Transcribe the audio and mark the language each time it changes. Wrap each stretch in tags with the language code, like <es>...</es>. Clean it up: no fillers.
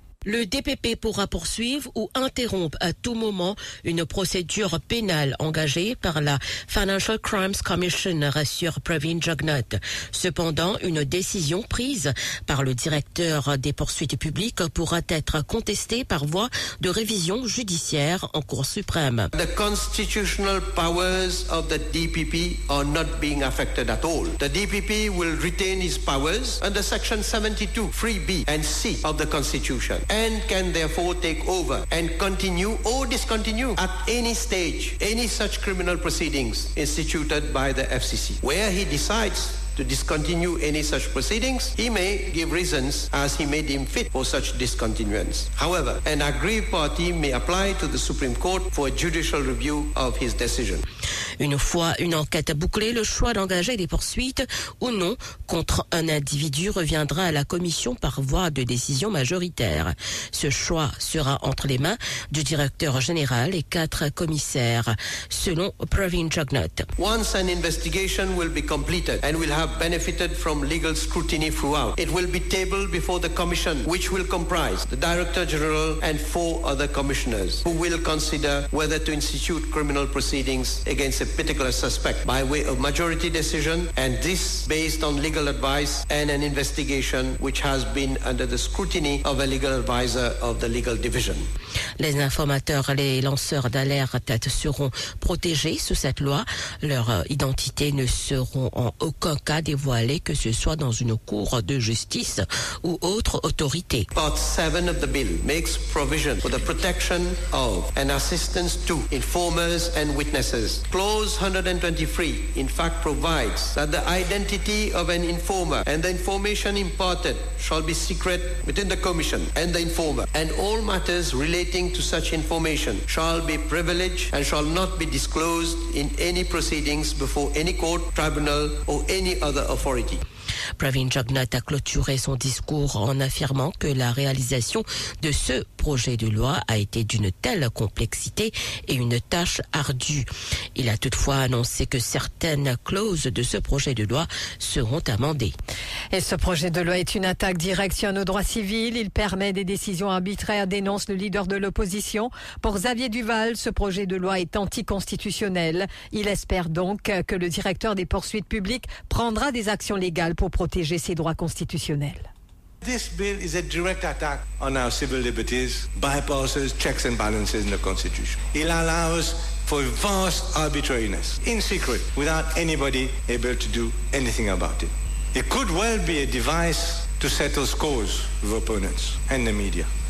<fr>Le DPP pourra poursuivre ou interrompre à tout moment une procédure pénale engagée par la Financial Crimes Commission, rassure Pravin Jagnath. Cependant, une décision prise par le directeur des poursuites publiques pourra être contestée par voie de révision judiciaire en Cour suprême.</fr> <en>The constitutional powers of the DPP are not being affected at all. The DPP will retain his powers under section 72, 3B and C of the Constitution. And can therefore take over and continue or discontinue at any stage any such criminal proceedings instituted by the FCC. Where he decides to discontinue any such proceedings, he may give reasons as he may deem fit for such discontinuance. However, an aggrieved party may apply to the Supreme Court for a judicial review of his decision.</en> <fr>Une fois une enquête bouclée, le choix d'engager des poursuites ou non contre un individu reviendra à la commission par voie de décision majoritaire. Ce choix sera entre les mains du directeur général et 4 commissaires, selon Pravin Jagnath.</fr> <en>Once an investigation will be completed and will have benefited from legal scrutiny throughout, it will be tabled before the commission, which will comprise the director general and 4 other commissioners, who will consider whether to institute criminal proceedings against a particular suspect by way of majority decision, and this based on legal advice and an investigation which has been under the scrutiny of a legal advisor of the legal division.</en> <fr>Les informateurs, les lanceurs d'alerte seront protégés sous cette loi. Leur identité ne seront en aucun cas dévoilées, que ce soit dans une cour de justice ou autre autorité.</fr> <en>Part 7 of the bill makes provision for the protection of and assistance to informers and witnesses. Clause 123, in fact, provides that the identity of an informer and the information imparted shall be secret within the commission and the informer, and all matters relating to such information shall be privileged and shall not be disclosed in any proceedings before any court, tribunal or any other authority.</en> <fr>Pravin Jagnath a clôturé son discours en affirmant que la réalisation de ce projet de loi a été d'une telle complexité et une tâche ardue. Il a toutefois annoncé que certaines clauses de ce projet de loi seront amendées. Et ce projet de loi est une attaque directe sur nos droits civils. Il permet des décisions arbitraires, dénonce le leader de l'opposition. Pour Xavier Duval, ce projet de loi est anticonstitutionnel. Il espère donc que le directeur des poursuites publiques prendra des actions légales pour protéger ses droits constitutionnels.</fr> <en>This bill is a direct attack on our civil liberties, bypasses checks and balances in the Constitution. It allows for vast arbitrariness in secret without anybody able to do anything about it. It could well be a device to settle scores with opponents and the media.</en>